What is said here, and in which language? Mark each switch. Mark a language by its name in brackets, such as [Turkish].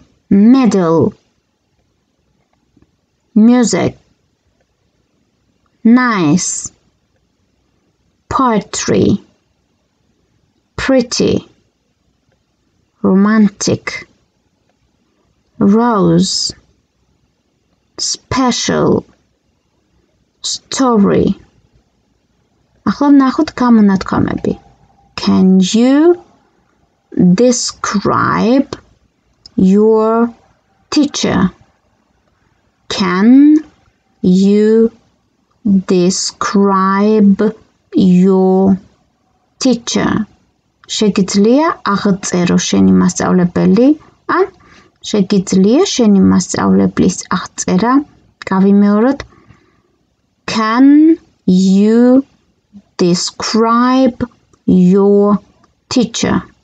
[English] Medal, music, nice, poetry, pretty, romantic, rose, special, story. [Georgian] ახლა ნახოთ გამონათქვამები. [English] Can you describe your teacher? Can you describe your teacher? [Georgian] შეგიძლია აღწერო შენი მასწავლებელი ან შეგიძლია შენი მასწავლებლის აღწერა გავიმეოროთ. [English] Can you describe your teacher?